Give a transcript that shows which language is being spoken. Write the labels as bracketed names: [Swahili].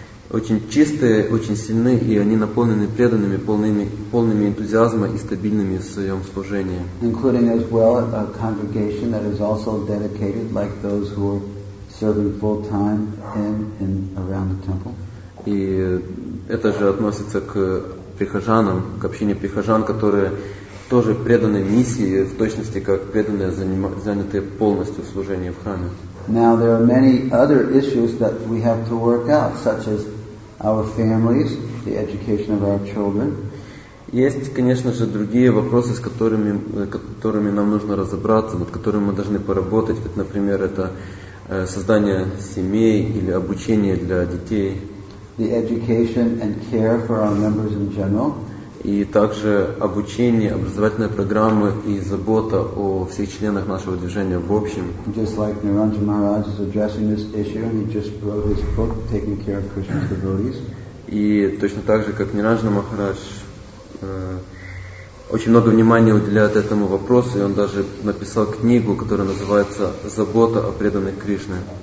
[Russian] очень чистые, очень сильны, и они наполнены преданными, полными энтузиазма и стабильными в своем служении. [English] Including as well a congregation that is also dedicated, like those who are serving full time in around the temple. [Russian] И это же относится к прихожанам, к общине прихожан, которые тоже преданы миссии в точности, как преданные, занятые полностью в служении в храме. [English] Now there are many other issues that we have to work out, such as our families, the education of our children. [Russian] Есть, конечно же, другие вопросы, с которыми нам нужно разобраться, над которыми мы должны поработать, как, например, это создание семей или обучение для детей. [English] The education and care for our members in general. [Russian] И также обучение, образовательные программы и забота о всех членах нашего движения в общем. [English] Just like Niranjan Maharaj is addressing this issue, he just wrote his book Taking Care of Krishna's Devotees. [Russian] И точно так же, как Ниранджана Махарадж очень много внимания уделяет этому вопросу, и он даже написал книгу, которая называется «Забота о преданных Кришне».